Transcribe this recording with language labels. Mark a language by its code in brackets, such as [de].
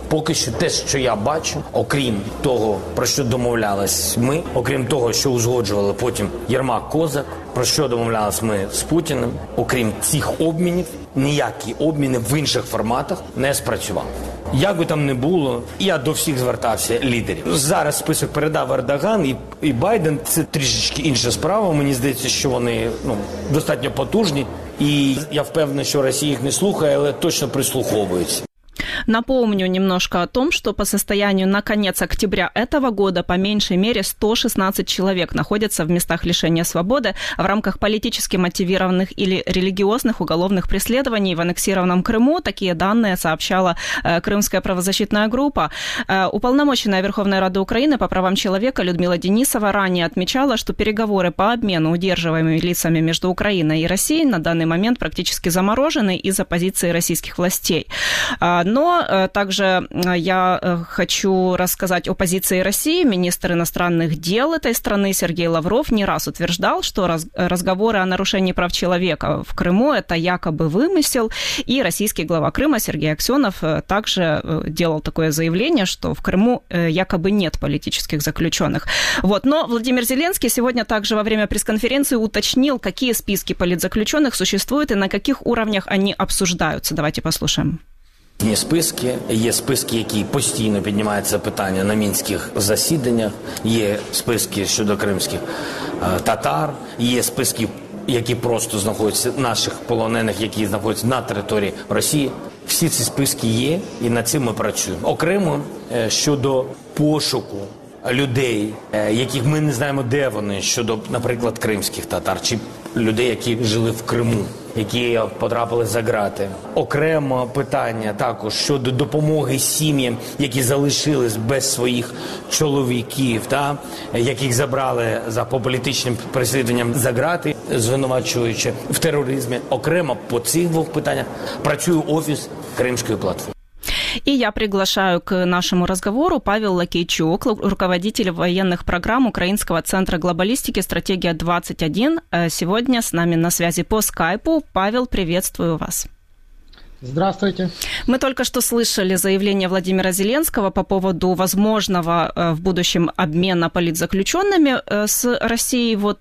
[uk] Поки що те, що я бачу, окрім того, про що домовлялись ми, окрім того, що узгоджували потім Єрмак, Козак, про що домовлялись ми з Путіним, окрім цих обмінів, ніякі обміни в інших форматах не спрацювали. Як би там не було, я до всіх звертався, лідерів. Зараз список передав Ердоган і Байден. Це трішечки інша справа. Мені здається, що вони достатньо потужні. І я впевнений, що Росія їх не слухає, але точно прислуховується. [ru] Напомню немножко о том, что по состоянию на конец октября этого года по меньшей мере 116 человек находятся в местах лишения свободы в рамках политически мотивированных или религиозных уголовных преследований в аннексированном Крыму. Такие данные сообщала Крымская правозащитная группа. Уполномоченная Верховной Рады Украины по правам человека Людмила Денисова ранее отмечала, что переговоры по обмену удерживаемыми лицами между Украиной и Россией на данный момент практически заморожены из-за позиции российских властей. Но также я хочу рассказать о позиции России. Министр иностранных дел этой страны Сергей Лавров не раз утверждал, что разговоры о нарушении прав человека в Крыму – это якобы вымысел. И российский глава Крыма Сергей Аксенов также делал такое заявление, что в Крыму якобы нет политических заключенных. Вот. Но Владимир Зеленский сегодня также во время пресс-конференции уточнил, какие списки политзаключенных существуют и на каких уровнях они обсуждаются. Давайте послушаем. [uk] Є списки, є списки, які постійно піднімаються питання на мінських засіданнях, є списки щодо кримських татар, є списки, які просто знаходяться наших полонених, які знаходяться на території Росії. Всі ці списки є, і над цим ми працюємо. Окремо щодо пошуку людей, яких ми не знаємо, де вони, щодо, наприклад, кримських татар, чи людей, які жили в Криму, які потрапили за грати. Окремо питання також щодо допомоги сім'ям, які залишились без своїх чоловіків, та, яких забрали за політичним переслідуванням за грати, звинувачуючи в тероризмі. Окремо по цих двох питаннях працює офіс Кримської платформи. [ru] И я приглашаю к нашему разговору Павел Лакейчук, руководитель военных программ Украинского центра глобалистики «Стратегия-21». Сегодня с нами на связи по скайпу. Павел, приветствую вас. Здравствуйте. Мы только что слышали заявление Владимира Зеленского по поводу возможного в будущем обмена политзаключенными с Россией. Вот.